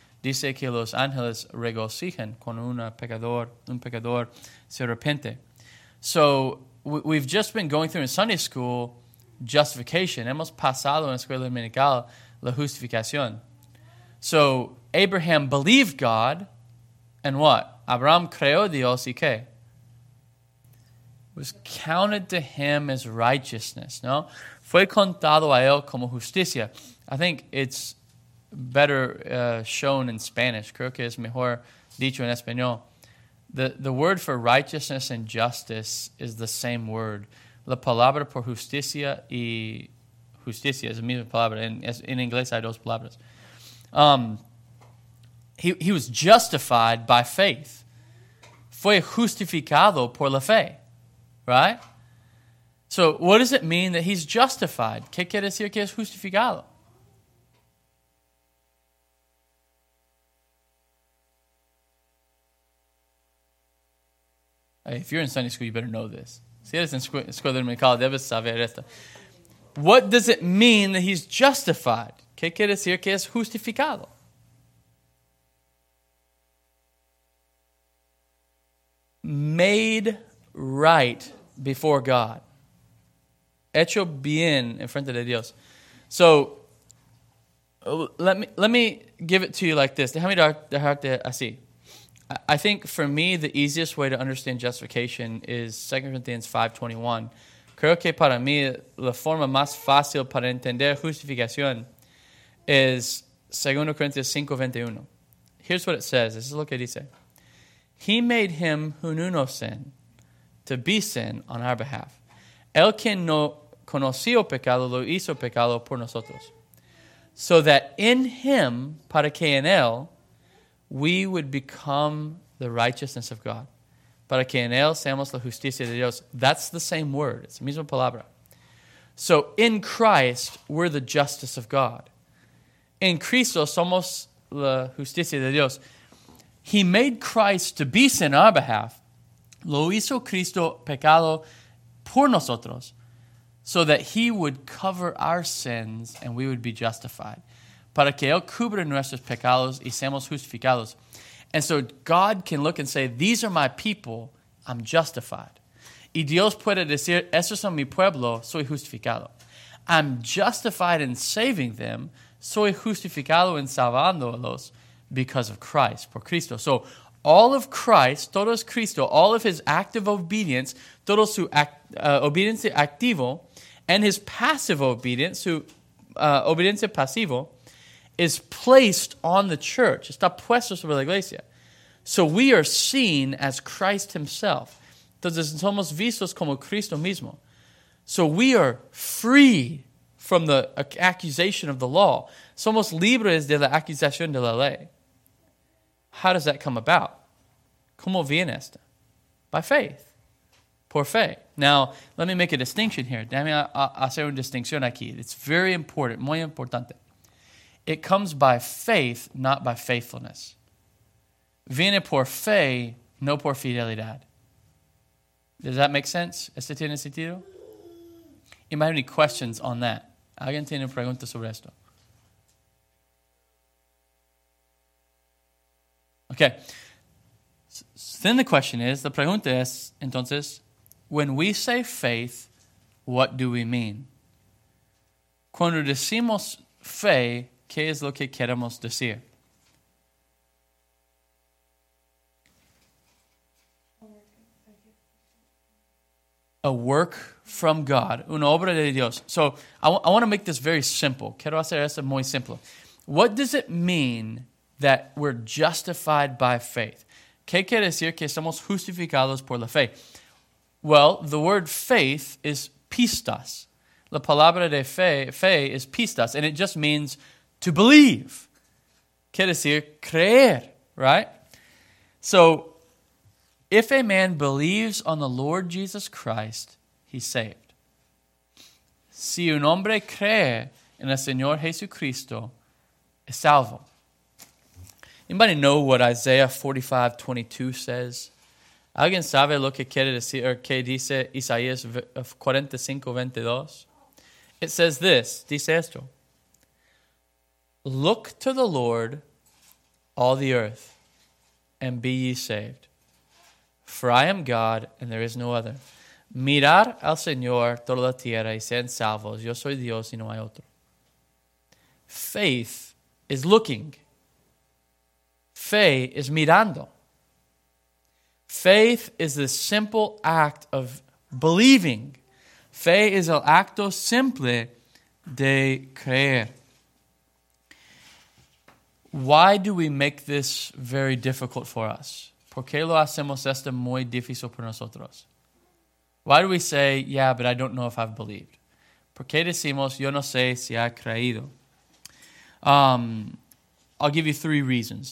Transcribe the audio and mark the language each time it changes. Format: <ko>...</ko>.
<es>Dice que los ángeles regocijan cuando un pecador se arrepente.</es> <en>So, we've just been going through in Sunday school justification.</en> <es>Hemos pasado en la escuela dominical la justificación.</es> <en>So, Abraham believed God, and what?</en> <es>Abraham creó Dios y qué?</es> <en>Was counted to him as righteousness, no?</en> <es>Fue contado a él como justicia.</es> <en>I think it's better shown in Spanish.</en> <es>Creo que es mejor dicho en español.</es> <en>The word for righteousness and justice is the same word.</en> <es>La palabra por justicia y justicia, es la misma palabra en inglés, hay dos palabras.</es> <en>He was justified by faith.</en> <es>Fue justificado por la fe, right?</es> <en>So what does it mean that he's justified?</en> <es>¿Qué quiere decir que es justificado?</es> <en>Hey, if you're in Sunday school, you better know this.</en> <es>Si eres en escuela dominical, debes saber esto.</es> <en>What does it mean that he's justified?</en> <es>¿Qué quiere decir que es justificado?</es> <en>Made right before God.</en> <es>Hecho bien en frente de Dios.</es> <en>So, let me give it to you like this.</en> <es>Déjame dejarte así.</es> <en>I think for me, the easiest way to understand justification is 2 Corinthians 5:21.</en> <es>Creo que para mí, la forma más fácil para entender justificación es 2 Corinthians 5:21.</es> <en>Here's what it says. This is</en> <es>lo que dice.</es> <en>He made him who knew no sin to be sin on our behalf.</en> <es>El quien no conoció pecado lo hizo pecado por nosotros.</es> <en>So that in him,</en> <es>para que en él,</es> <en>we would become the righteousness of God.</en> <es>Para que en él seamos la justicia de Dios.</es> <en>That's the same word. It's the</en> <es>misma palabra.</es> <en>So in Christ, we're the justice of God. In</en> <es>Cristo, somos la justicia de Dios.</es> <en>He made Christ to be sin on our behalf.</en> <es>Lo hizo Cristo pecado por nosotros.</es> <en>So that he would cover our sins and we would be justified.</en> <es>Para que él cubra nuestros pecados y seamos justificados.</es> <en>And so God can look and say, these are my people, I'm justified.</en> <es>Y Dios puede decir, estos son mi pueblo, soy justificado.</es> <en>I'm justified in saving them,</en> <es>soy justificado en salvándolos</es> <en>because of Christ,</en> <es>por Cristo.</es> <en>So all of Christ,</en> <es>todo es Cristo,</es> <en>all of his active obedience,</en> <es>todo su obediencia activo,</es> <en>and his passive obedience,</en> <es>su obediencia pasivo,</es> <en>is placed on the church.</en> <es>Está puesto sobre la iglesia.</es> <en>So we are seen as Christ himself.</en> <es>Entonces somos vistos como Cristo mismo.</es> <en>So we are free from the accusation of the law.</en> <es>Somos libres de la acusación de la ley.</es> <en>How does that come about?</en> <es>¿Cómo viene esto?</es> <en>By faith.</en> <es>Por fe.</es> <en>Now, let me make a distinction here.</en> <es>Déjame hacer una distinción aquí.</es> <en>It's very important.</en> <es>Muy importante.</es> <en>It comes by faith, not by faithfulness.</en> <es>Viene por fe, no por fidelidad.</es> <en>Does that make sense?</en> <es>¿Este tiene sentido?</es> <en>You might have any questions on that.</en> <es>¿Alguien tiene preguntas sobre esto?</es> <en>Okay. Then the question is, the</en> <es>pregunta es, entonces,</es> <en>when we say faith, what do we mean?</en> <es>Cuando decimos fe, ¿qué es lo que queremos decir?</es> <en>A work from God. Una obra de Dios. So, I want to make this very simple.</en> <es>Quiero hacer esto muy simple.</es> <en>What does it mean that we're justified by faith?</en> <es>¿Qué quiere decir que somos justificados por la fe?</es> <en>Well, the word faith is pistas.</en> <es>La palabra de fe</es> <en>is pistas, and it just means to believe.</en> <es>Quiere decir creer,</es> <en>right? So, if a man believes on the Lord Jesus Christ, he's saved.</en> <es>Si un hombre cree en el Señor Jesucristo, es salvo.</es> <en>Anybody know what Isaiah 45:22 says?</en> <es>¿Alguien sabe lo que quiere decir o qué dice Isaías 45:22?</es> <en>It says this,</en> <es>dice esto.</es> <en>Look to the Lord, all the earth, and be ye saved. For I am God, and there is no other.</en> <es>Mirar al Señor toda la tierra y sean salvos. Yo soy Dios y no hay otro.</es> <en>Faith is looking.</en> <es>Fe is mirando.</es> <en>Faith is the simple act of believing.</en> <es>Fe es el acto simple de creer.</es> <en>Why do we make this very difficult for us?</en> <es>¿Por qué lo hacemos esto muy difícil para nosotros?</es> <en>Why do we say, yeah, but I don't know if I've believed?</en> <es>¿Por qué decimos yo no sé si ha creído?</es> <en>I'll give you three reasons.</en>